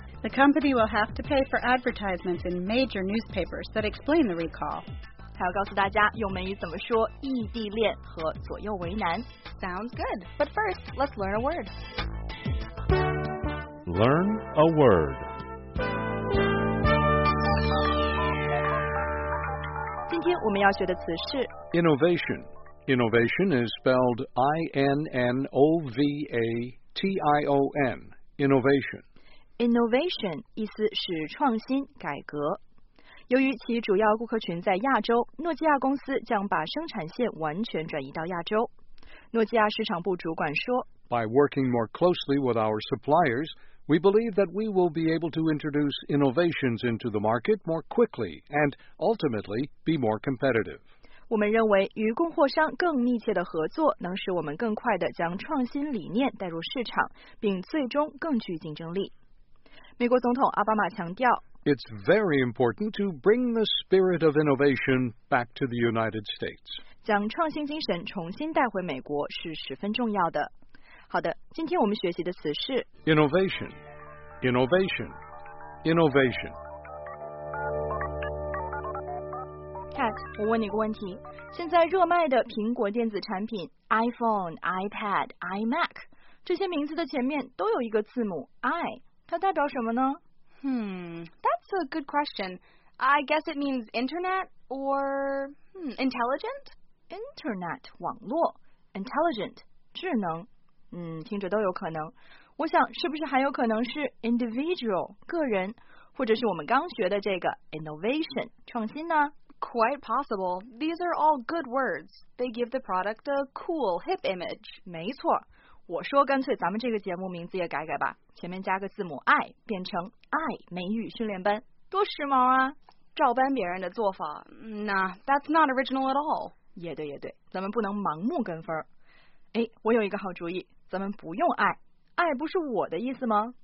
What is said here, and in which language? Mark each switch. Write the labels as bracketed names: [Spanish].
[English] The company will have to pay for advertisements in major newspapers that explain the recall. [Chinese] 还要告诉大家用美语怎么说异地恋和左右为难。 [English] Sounds good. But first, let's learn a word. Learn a word. [Chinese] 今天我们要学的词是 [English] innovation. Innovation is spelled I-N-N-O-V-A-T-I-O-N. Innovation. [Chinese] Innovation 意思是创新、改革。由于其主要顾客群在亚洲，诺基亚公司将把生产线完全转移到亚洲。诺基亚市场部主管说 [English] By working more closely with our suppliers, we believe that we will be able to introduce innovations into the market more quickly and ultimately be more competitive. [Chinese] 我们认为与供货商更密切的合作能使我们更快地将创新理念带入市场，并最终更具竞争力。美国总统奥巴马强调 [English] It's very important to bring the spirit of innovation back to the United States. [Chinese] 将创新精神重新带回美国是十分重要的。好的，今天我们学习的词是 [English] Innovation, innovation, innovation. [Chinese] Cat, 我问你个问题，现在热卖的苹果电子产品 iPhone, iPad, iMac 这些名字的前面都有一个字母 I. 它代表什么呢 [English] That's a good question. I guess it means internet or intelligent? [Chinese] Internet, 网络 Intelligent, 智能听着都有可能。我想是不是还有可能是 individual, 个人或者是我们刚学的这个 innovation, 创新呢 [English] Quite possible. These are all good words. They give the product a cool, hip image. [Chinese] 没错。我说干脆咱们这个节目名字也改改吧，前面加个字母 I 变成 I 美语训练班，多时髦啊，照搬别人的做法。 [English] Nah, that's not original at all. [Chinese] 也对也对，咱们不能盲目跟风。哎，我有一个好主意，咱们不用 I 不是我的意思吗？